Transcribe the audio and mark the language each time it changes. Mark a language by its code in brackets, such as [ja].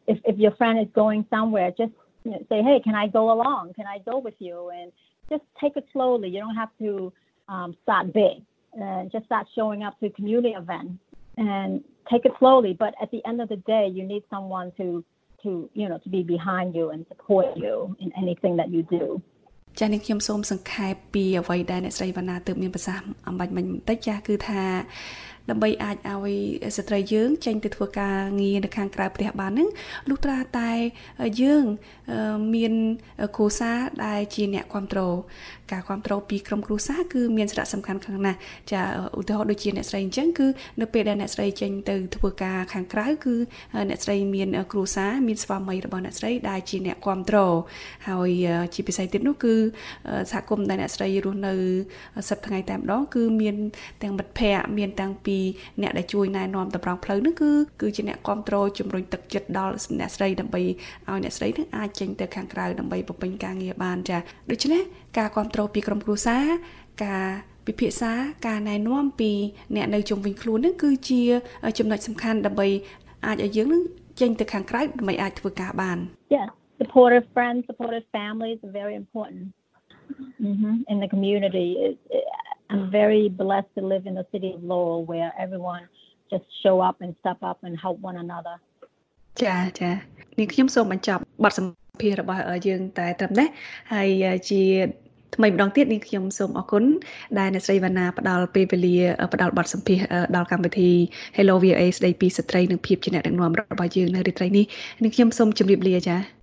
[en] if your friend is going somewhere just you know, say hey can I go with you and just take it slowly you don't have to start big and just start showing up to community events and take it slowly but at the end of the day you need someone to you know to be behind you and support you in anything that you do [km] ចា៎ខ្ញុំសូមសង្ខេបពីអ្វីដែលអ្នកស្រីវណ្ណាទើបមានប្រសាសន៍អំបញ្ញមិញបន្តិចចា៎គឺថាដើម្បីអាចឲ្យស្ត្រីយើងចេញទៅធ្វើការងារនៅខាងក្រៅប្រទេសបានហ្នឹងលុះត្រាតែយើង មានគ្រួសារដែលជាអ្នកគ្រប់គ្រងការគ្រប់គ្រងពីក្រុមគ្រួសារគឺមានសារៈសំខាន់ខ្លាំងណាស់ចាឧទាហរណ៍ដូចជាអ្នកស្រីអញ្ចឹងគឺនៅពេលដែលអ្នកស្រីចេញទៅធ្វើការខាងក្រៅគឺអ្នកស្រីមានគ្រួសារមានស្វាមីរបស់អ្នកស្រីដែលជាអ្នកគ្រប់គ្រងហើយជាពិសេសទៀតនោះគឺ សហគមន៍ដែលអ្នកស្រីរស់នៅសប្តាហ៍ថ្ងៃតែម្ដងគឺមានទាំងមិត្តភ័ក្តិមានទាំងពីអ្នកដែលជួយណែនាំតម្រង់ផ្លូវនោះគឺជាអ្នកគ្រប់គ្រងជំរុញទឹកចិត្តដល់អ្នកស្រីដើម្បីឲ្យអ្នកស្រីនឹងអាចចេញទៅខាងក្រៅដើម្បីបំពេញការងារបានចា៎ដូច្នេះការគ្រប់គ្រងពីក្រុមគ្រួសារការពិភាក្សាការណែនាំពីអ្នកនៅជុំវិញខ្លួននោះគឺជាចំណុចសំខាន់ដើម្បីអាចឲ្យយើងនឹងចេញទៅខាងក្រៅដើម្បីអាចធ្វើការបាន [en] Yeah supportive friends supportive family is very important in the community I'm very blessed to live in the city of Lowell where everyone just show up and step up and help one another. [km] ចាចានេះខ្ញុំសូមបញ្ចប់បទសម្ភាសន៍របស់យើងតែត្រឹមនេះហើយជាថ្មីម្ដងទៀតនេះខ្ញុំសូមអរគុណដែលអ្នកស្រីវណ្ណាផ្ដល់ពេលវេលាផ្ដល់បទសម្ភាសន៍ដល់កម្មវិធី Hello VA ស្ដីពីស្ត្រីនិងភាពជាអ្នកដឹកនាំរបស់យើងនៅរាត្រីនេះនេះខ្ញុំសូមជម្រាបលាចា